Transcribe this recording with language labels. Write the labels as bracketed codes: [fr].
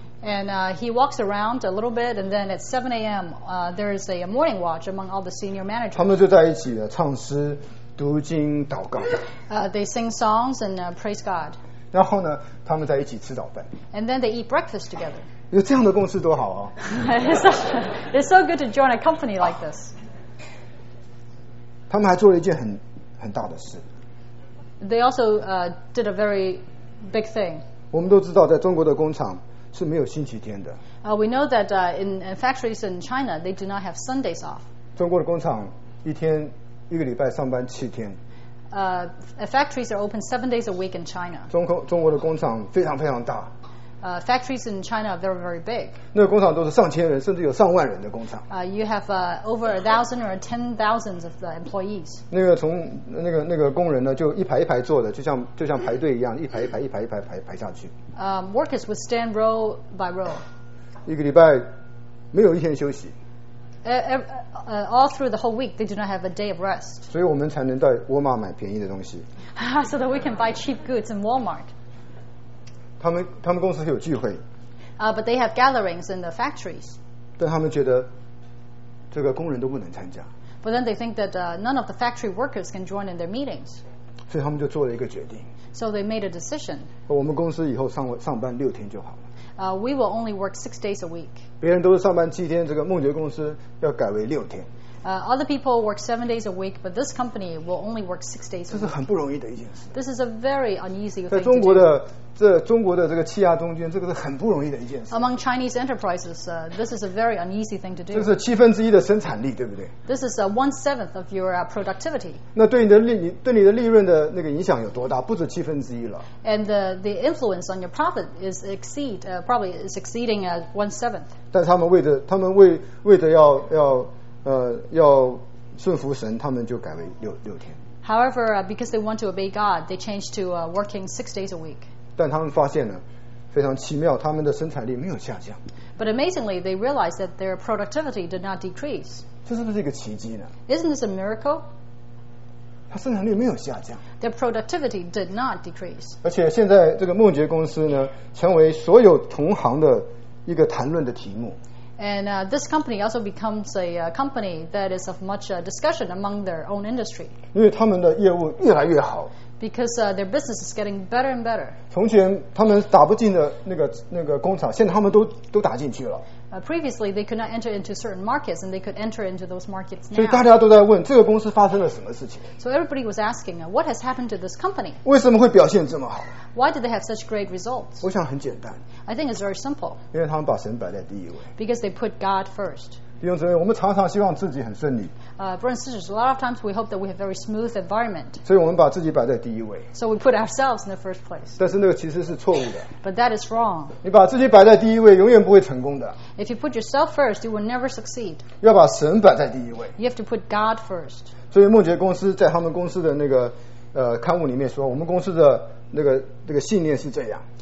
[en] And he walks around a little bit, and then at 7 a.m. There is a morning watch among all the senior managers. [zh] 他们就在一起唱诗。读经祷告。 [en] They sing songs and praise God. [zh] 然后呢，他们在一起吃早饭。 [en] And then they eat breakfast together. [zh] 有这样的公司多好啊！ [en] It's so good to join a company like this. [zh] 他们还做了一件很大的事。 [en] They also did a very big thing. [zh] 我们都知道，在中国的工厂是没有星期天的。 [en] We know that in factories in China, they do not have Sundays off. [zh] 中国的工厂一天。一个礼拜上班7天。 [en] Factories are open 7 days a week in China. [zh] 中国的工厂非常非常大。 [en] Factories in China are very, very big. [zh] 那个工厂都是上千人，甚至有上万人的工厂。 [en] You have over 1,000 or 10,000 of the employees. [zh] 那个工人呢，就一排一排坐的，就像排队一样，一排一排，一排一排排下去。 [en] Workers would stand row by row. [zh] 一个礼拜没有一天休息。 [en] All through the whole week, they do not have a day of rest. [zh] 所以我们才能在沃尔玛买便宜的东西。 [en] So that we can buy cheap goods in Walmart. [zh] 他们公司有聚会。 [en] But they have gatherings in the factories. [zh] 但他们觉得这个工人都不能参加。 [en] But then they think that none of the factory workers can join in their meetings. [zh] 所以他们就做了一个决定。 [en] So they made a decision. [zh] 我们公司以后上班6天就好了。 [en] We will only work 6 days a week. [zh] 别人都是上班7天，这个梦觉公司要改为6天。 [en] Other people work 7 days a week, but this company will only work 6 days a week. [zh] 这是很不容易的一件事。 [en] This is a very unusual thing. [zh] 在中国的这中国的这个企业中间，这个是很不容易的一件事。 [en] Among Chinese enterprises, this is a very unusual thing to do. [zh] 这是七分之一的生产力，对不对 [en] ？This is one-seventh of your productivity. [zh] 那对你的利对你的利润的那个影响有多大？不止七分之一了。 [en] And the influence on your profit is exceed probably is exceeding one-seventh. [zh] 但他们为着他们为为着要要。要顺服神，他们就改为六天。 [en] However, because they want to obey God, they changed to working 6 days a week. [zh] 但他们发现呢，非常奇妙，他们的生产力没有下降。 [en] But amazingly, they realized that their productivity did not decrease. [zh] 这是不是一个奇迹呢 [en] ？Isn't this a miracle? [zh] 他生产力没有下降。 [en] Their productivity did not decrease. [zh] 而且现在这个梦洁公司呢，成为所有同行的一个谈论的题目。 [en] And this company also becomes a company that is of much discussion among their own industry. [zh] 因为他们的业务越来越好。 [en] Because their business is getting better and better. [zh] 从前他们打不进的那个工厂，现在他们都打进去了。 [en] Previously, they could not enter into certain markets, and they could enter into those markets now. [zh] 所以大家都在问这个公司发生了什么事情。 [en] So everybody was asking, what has happened to this company? [zh] 为什么会表现这么好？ [en] Why did they have such great results? [zh] 我想很简单。 [en] I think it's very simple. [zh] 因为他们把神摆在第一位。 [en] Because they put God first. [zh] 弟兄姊妹，我们常常希望自己很顺利。 [en] Brothers and sisters, a lot of times we hope that we have a very smooth environment. [zh] 所以我们把自己摆在第一位。 [en] So we put ourselves in the first place. [zh] 但是那个其实是错误的。 [en] But that is wrong. [zh] 你把自己摆在第一位，永远不会成功的。 [en] If you put yourself first, you will never succeed. [zh] 要把神摆在第一位。 [en] You have to put God first. [zh] 所以梦洁公司在他们公司的那个刊物里面说，我们公司的那个信念是这样。